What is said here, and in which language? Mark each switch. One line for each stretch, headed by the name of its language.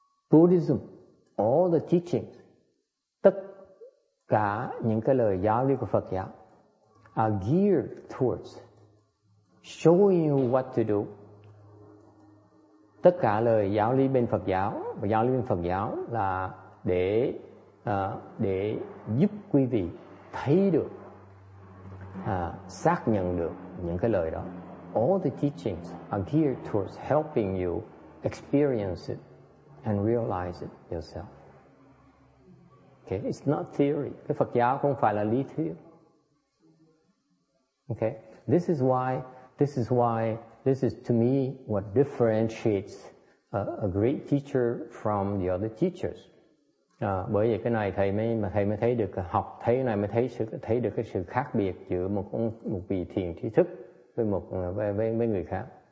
English: Buddhism, all the teachings,
Vietnamese: tất cả những cái lời giáo lý của Phật giáo
English: are geared towards showing you what to do.
Vietnamese: Tất cả lời giáo lý bên Phật giáo và giáo lý bên Phật giáo là để giúp quý vị thấy được, xác nhận được những cái lời đó.
English: All the teachings are geared towards helping you experience it and realize it yourself. Okay, it's not theory.
Vietnamese: Cái Phật giáo không phải là lý thuyết. Okay,
English: This is to me what differentiates a great teacher from the other teachers.
Vietnamese: Bởi vì cái này thầy mới thấy được học thấy này mới thấy được cái sự khác biệt giữa một vị thiền trí thức với một với người khác.